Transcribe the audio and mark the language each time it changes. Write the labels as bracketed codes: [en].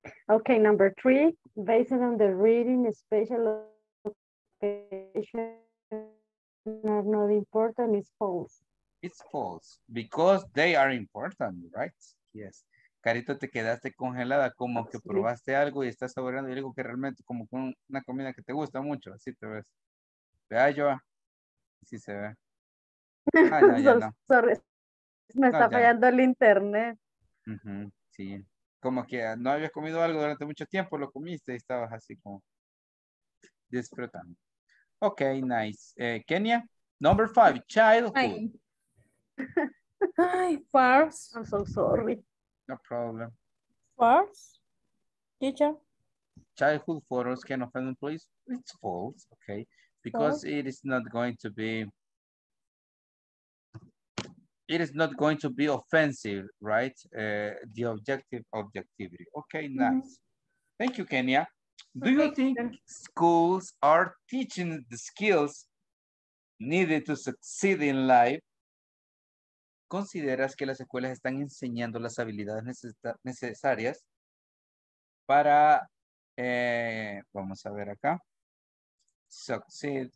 [en] Okay, number three, based on the reading, spatial location are not important, it's false. It's false, because they are important, right? Yes. [es] Carito, te quedaste congelada, como que probaste algo y estás saboreando algo que realmente, como con una comida que te gusta mucho, así te ves. Vea, Joa. Sí se ve. Ah, no, ya no. [en] Sorry. [es] Me está fallando el internet. Uh-huh. Sí. Como que no habías comido algo durante mucho tiempo, lo comiste y estabas así como disfrutando. [en] Ok, nice. Kenya, number five, childhood. Ay, farce. I'm so sorry. No problem. False, teacher. Childhood photos can offend employees. It's false, okay? Because false. it is not going to be offensive, right? The objective objectivity. Okay, nice. Mm-hmm. Thank you, Kenya. Do you think schools are teaching the skills needed to succeed in life? [es] ¿Consideras que las escuelas están enseñando las habilidades necesarias para, vamos a ver acá, succeed?